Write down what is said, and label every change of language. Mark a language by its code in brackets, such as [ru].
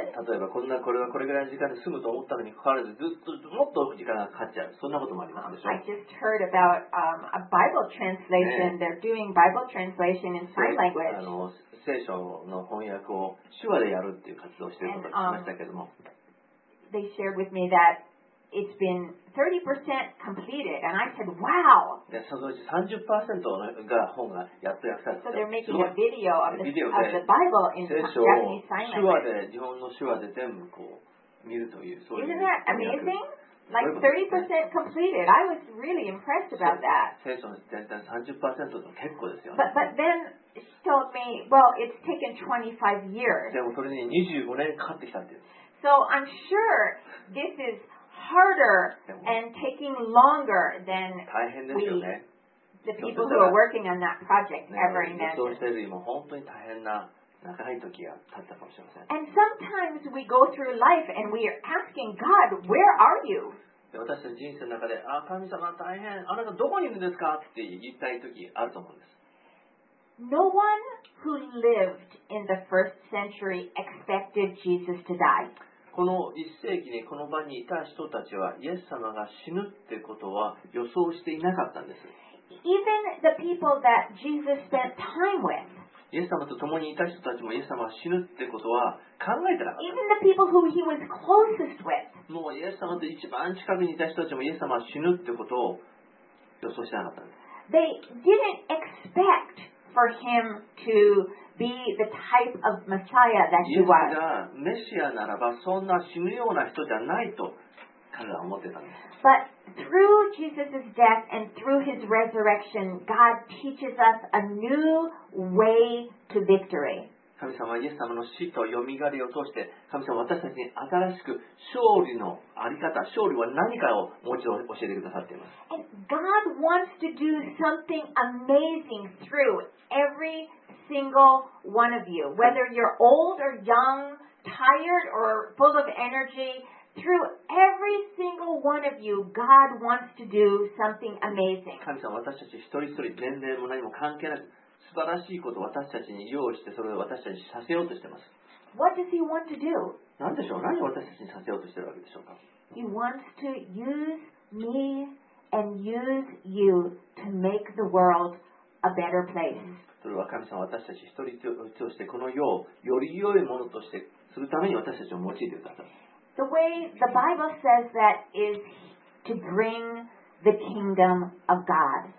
[ja] 例えばこんなこれはこれぐらいの時間で済むと思ったのに関わらず、ずっともっと時間がかかっちゃう。そんなこともありますでしょう。 [en] I just heard about a Bible translation. They're doing Bible translation in sign language. [ja] 聖書の翻訳を手話でやるっていう活動をしていることを聞きましたけれども。 [en] They shared with me that. It's been 30% completed, and I said, "Wow!" [ja] そのうち 30% の本がやっと訳されてる。 [en] So they're making a video of the Bible in Japanese sign language. [ja] 手話で日本の手話で全部こう見るという。 [en] Isn't that amazing? Like 30% completed. I was really impressed about that. [ja] 聖書全体 30% でも結構ですよね。 [en] But then she told me, "Well, it's taken 25 years." [ja] でもそれに25年かかってきたんです。 [en] So I'm sure this is harder and taking longer than the people who are working on that project ever imagined. And sometimes we go through life and we are asking God, where are you? [ja] 私たちの人生の中で、あ、神様大変、あなたどこにいるんですかって言いたい時あると思うんです。 [en] No one who lived in the first century expected Jesus to die. [ja] この一世紀にこの場にいた人たちはイエス様が死ぬってことは予想していなかったんです。 [en] Even the people that Jesus spent time with. [ja] イエス様と共にいた人たちもイエス様が死ぬってことは考えてなかった。 [en] Even the people who he was closest with. [ja] もうイエス様と一番近くにいた人たちもイエス様が死ぬってことを予想してなかったんです。 [en] They didn't expect for him to be the type of Messiah that he was. [ja] イエスがメシアならばそんな死ぬような人じゃないと彼らは思ってたんです。 [en] But through Jesus' death and through his resurrection, God teaches us a new way to victory. [ja] 神様はイエス様の死と蘇りを通して、神様は私たちに新しく勝利のあり方、勝利は何かをもう一度教えてくださっています。 [en] And God wants to do something amazing through every single one of you, whether you're old or young, tired or full of energy. Through every single one of you, God wants to do something amazing. [ja] 神様、私たち一人一人、年齢も何も関係なく、素晴らしいことを私たちに用意して、それを私たちにさせようとしています。 [en] What does he want to do? [ja] 何でしょう？何を私たちにさせようとしているわけでしょうか？ [en] He wants to use me and use you to make the world a better place. [ja] それは神様、私たち一人一人として、この世をより良いものとして、するために私たちを用いてください。 [en] The way the Bible says that is to bring the kingdom of God.